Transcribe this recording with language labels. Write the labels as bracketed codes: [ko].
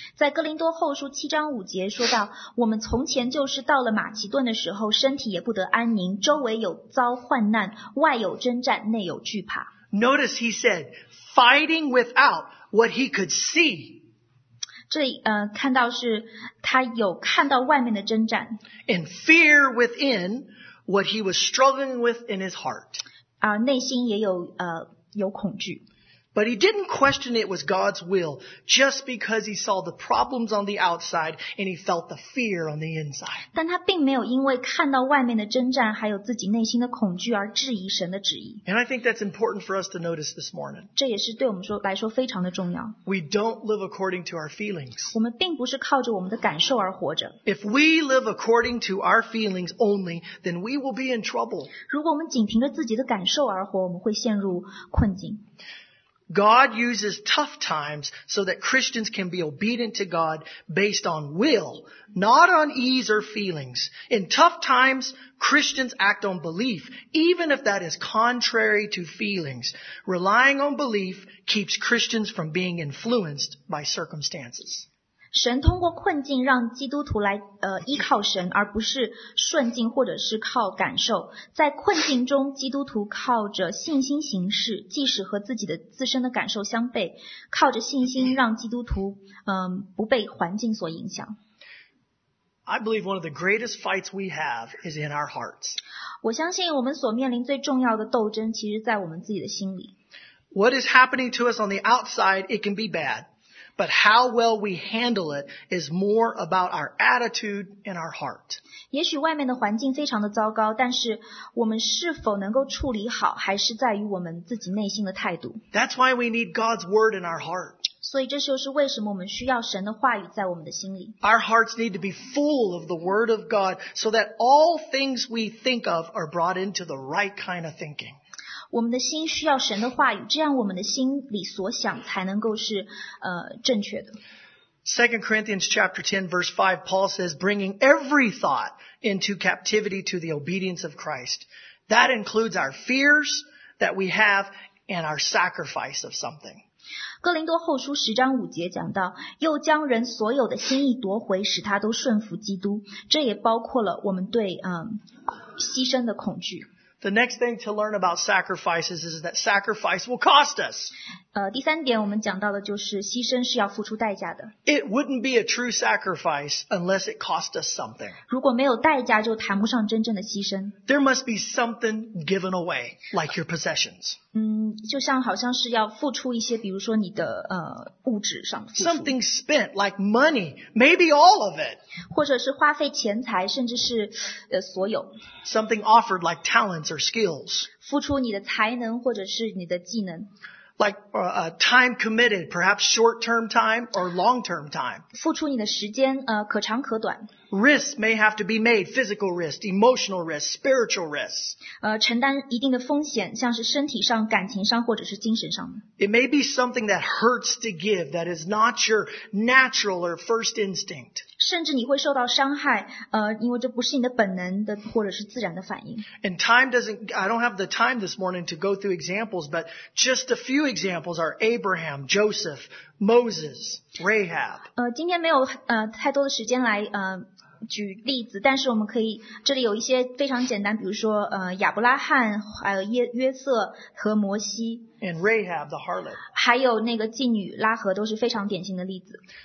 [zh] 在哥林多后书七章五节说到，我们从前就是到了马其顿的时候，身体也不得安宁，周围有遭患难，外有征战，内有惧怕。 [en] Notice he said, fighting without what he could see. [zh] 这里看到是他有看到外面的征战 [en] and fear within what he was struggling with in his heart [zh] 内心也有恐惧 [en] but he didn't question it was God's will just because he saw the problems on the outside and he felt the fear on the inside [zh] 但他并没有因为看到外面的征战还有自己内心的恐惧而质疑神的旨意 [en] and I think that's important for us to notice this morning [zh] 这也是对我们来说非常的重要 [en] we don't live according to our feelings [zh] 我们并不是靠着我们的感受而活着 [en] if we live according to our feelings only then we will be in trouble [zh] 如果我们仅凭着自己的感受而活我们会陷入困境 [en] God uses tough times so that Christians can be obedient to God based on will, not on ease or feelings. In tough times, Christians act on belief, even if that is contrary to feelings. Relying on belief keeps Christians from being influenced by circumstances. [zh] 神通过困境让基督徒来依靠神，而不是顺境或者是靠感受。在困境中，基督徒靠着信心行事，即使和自己的自身的感受相悖，靠着信心让基督徒不被环境所影响。 [en] I believe one of the greatest fights we have is in our hearts. [zh] 我相信我们所面临最重要的斗争其实在我们自己的心里。 [en] What is happening to us on the outside, it can be bad. But how well we handle it is more about our attitude and our heart. [zh] 也许外面的环境非常的糟糕，但是我们是否能够处理好，还是在于我们自己内心的态度。 [en] That's why we need God's word in our heart. [zh] 所以这就是为什么我们需要神的话语在我们的心里。 [en] Our hearts need to be full of the word of God so that all things we think of are brought into the right kind of thinking. [zh] 我们的心需要神的话语，这样我们的心里所想才能够是正确的。 [en] 2 Corinthians chapter 10 verse 5, Paul says, bringing every thought into captivity to the obedience of Christ. That includes our fears that we have and our sacrifice of something. [zh] 哥林多后书十章五节讲到，又将人所有的心意夺回，使他都顺服基督。这也包括了我们对牺牲的恐惧。 [en] The next thing to learn about sacrifices is that sacrifice will cost us. [zh] 第三点我们讲到的就是牺牲是要付出代价的。 [en] It wouldn't be a true sacrifice unless it cost us something. [zh] 如果没有代价，就谈不上真正的牺牲。 [en] There must be something given away, like your possessions. [zh] 就像好像是要付出一些，比如说你的物质上付出。 [en] Something spent, like money, maybe all of it. [zh] 或者是花费钱财，甚至是所有。 [en] Something offered, like talents or skills. [zh] 付出你的才能或者是你的技能。 [en] Like time committed, perhaps short-term time or long-term time. [zh] 付出你的时间可长可短。 [en] Risks may have to be made, physical risks, emotional risks, spiritual risks. [zh] 承担一定的风险，像是身体上、感情上或者是精神上。 [en] It may be something that hurts to give, that is not your natural or first instinct. [zh] 甚至你会受到伤害，因为这不是你的本能的或者是自然的反应。 [en] And time doesn't, I don't have the time this morning to go through examples, but just a few examples are Abraham, Joseph,Moses, Rahab. [zh] 今天没有太多的时间来举例子，但是我们可以这里有一些非常简单，比如说亚伯拉罕，还有约瑟和摩西。 [en] And Rahab the harlot. [zh] 还有那个妓女拉合都是非常典型的例子。